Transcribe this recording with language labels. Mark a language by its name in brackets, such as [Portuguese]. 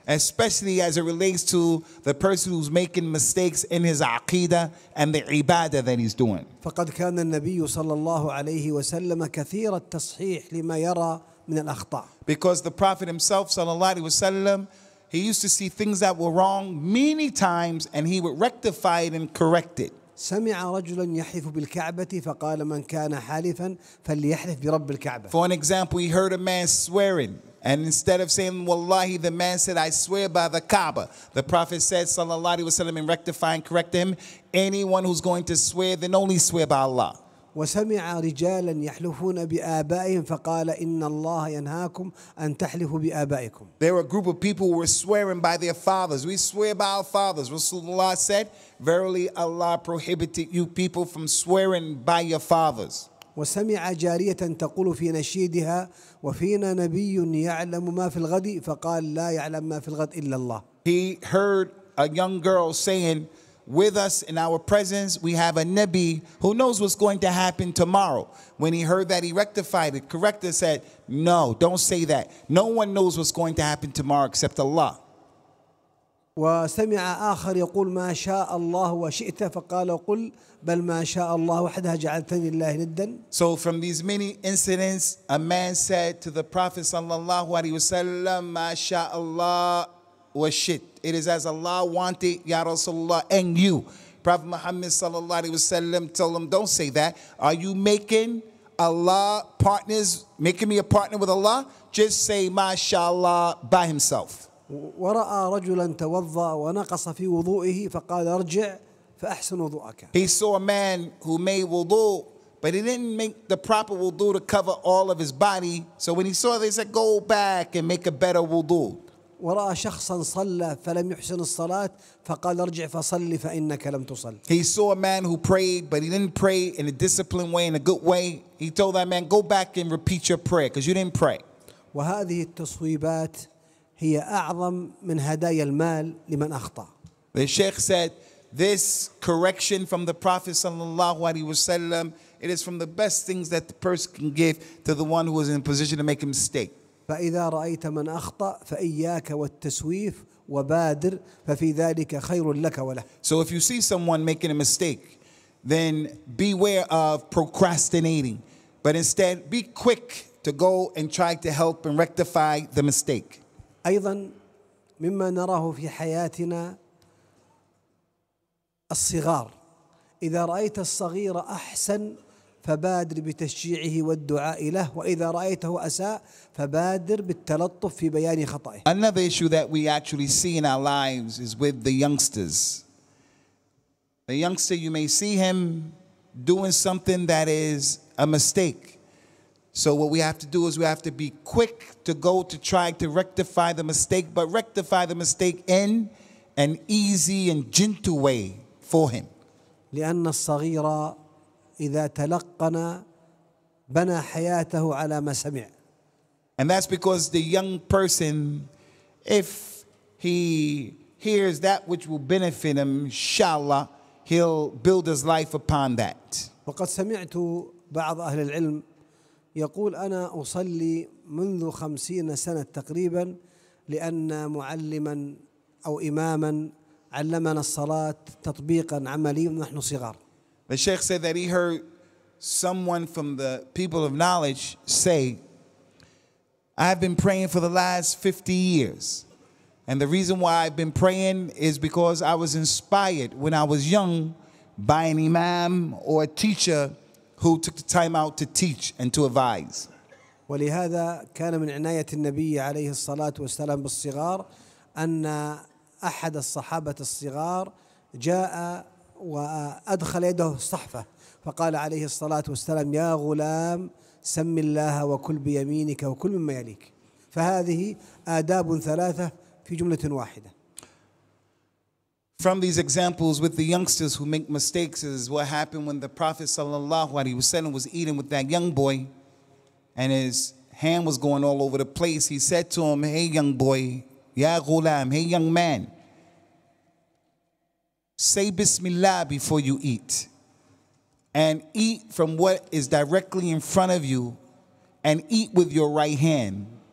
[English] Especially as it relates to the person who's making mistakes in his aqidah and the ibadah that he's doing. [Arabic] فقد كان النبي صلى الله عليه وسلم كثير التصحيح لما يرى من الأخطاء. [English] Because the Prophet himself [Arabic] صلى الله عليه وسلم, [English] he used to see things that were wrong many times and he would rectify it and correct it. [Arabic] سمع رجلا يحلف بالكعبة فقال من كان حالفا فليحلف برب الكعبة. [English] For an example, he heard a man swearing, and instead of saying wallahi, the man said I swear by the Kaaba. The Prophet said [Arabic] صلى الله عليه وسلم [English] in rectifying, correct him, anyone who's going to swear, then only swear by Allah. [Arabic] وسمع رجالا يحلفون بآبائهم فقال إن الله ينهاكم أن تحلفوا بآبائكم. [English] There were a group of people who were swearing by their fathers. We swear by our fathers. Rasulullah said, verily Allah prohibited you people from swearing by your fathers. [Arabic] وسمع جارية تقول في نشيدها وفينا نبي يعلم ما في الغد فقال لا يعلم ما في الغد إلا الله. [English] He heard a young girl saying, with us in our presence, we have a Nabi who knows what's going to happen tomorrow. When he heard that, he rectified it, corrected, said, no, don't say that. No one knows what's going to happen tomorrow except Allah. [Arabic] وسمع آخر يقول ما شاء الله وشئت فقال قل بل ما شاء الله وحده جعلتني الله ندا. [English] So from these many incidents, a man said to the Prophet [Arabic] صلى الله عليه وسلم, ما شاء الله وشئت. [English] It is as Allah wanted, Ya Rasulullah, and you. Prophet Muhammad [Arabic] sallallahu alayhi wa sallam [English] told him, don't say that. Are you making Allah partners, making me a partner with Allah? Just say, mashallah, by himself. [Arabic] وَرَأَى رَجُلًا تَوَضَّى وَنَقَصَ فِي وُضُوئِهِ فَقَالَ ارْجِعْ فَأَحْسَنُ وُضُوءَكَ. [English] He saw a man who made wudu, but he didn't make the proper wudu to cover all of his body. So when he saw this, he said, go back and make a better wudu. [Arabic] ورأى شخصا صلى فلم يحسن الصلاة فقال ارجع فصلي فإنك لم تصل. [English] He saw a man who prayed but he didn't pray in a disciplined way, in a good way. He told that man, go back and repeat your prayer because you didn't pray. [Arabic] وهذه التصويبات هي أعظم من هدايا المال لمن أخطأ. [English] The Sheikh said, this correction from the Prophet [Arabic] sallallahu alaihi wasallam, [English] it is from the best things that the person can give to the one who is in a position to make a mistake. [Arabic] فإذا رأيت من أخطأ فإياك والتسويف وبادر ففي ذلك خير لك وله. [English] So if you see someone making a mistake, then beware of procrastinating, but instead be quick to go and try to help and rectify the mistake. [Arabic] أيضا مما نراه في حياتنا الصغار. إذا رأيت الصغير أحسن فبادر بتشجيعه والدعاء له وإذا رأيته أساء فبادر بالتلطف في بيان خطأه. [English] Another issue that we actually see in our lives is with the youngsters. The youngster, you may see him doing something that is a mistake. So what we have to do is we have to be quick to go to try to rectify the mistake, but rectify the mistake in an easy and gentle way for him. [Arabic] لأن الصغيرة إذا تلقنا بنى حياته على ما سمع. [English] And that's because the young person, if he hears that which will benefit him, inshallah, he'll build his life upon that. [Arabic] وقد سمعت بعض أهل العلم يقول أنا أصلي منذ 50 سنة تقريبا لأن معلما أو إماما علمنا الصلاة تطبيقا عمليا ونحن صغار. [English] The Sheikh said that he heard someone from the people of knowledge say, I've been praying for the last 50 years. And the reason why I've been praying is because I was inspired when I was young by an imam or a teacher who took the time out to teach and to advise. [Arabic] ولهذا كان من عناية النبي عليه الصلاة والسلام بالصغار أن أحد الصحابة الصغار جاء وأدخل يده الصحفة فقال عليه الصلاة والسلام يا غلام سم الله وكل بيمينك وكل مما يليك فهذه آداب ثلاثة في جملة واحدة. [English] From these examples with the youngsters who make mistakes is what happened when the Prophet [Arabic] sallallahu alaihi wasallam [English] was eating with that young boy and his hand was going all over the place. He said to him, hey young boy, [Arabic] ya ghulam, [English] hey young man, say bismillah before you eat and eat from what is directly in front of you and eat with your right hand.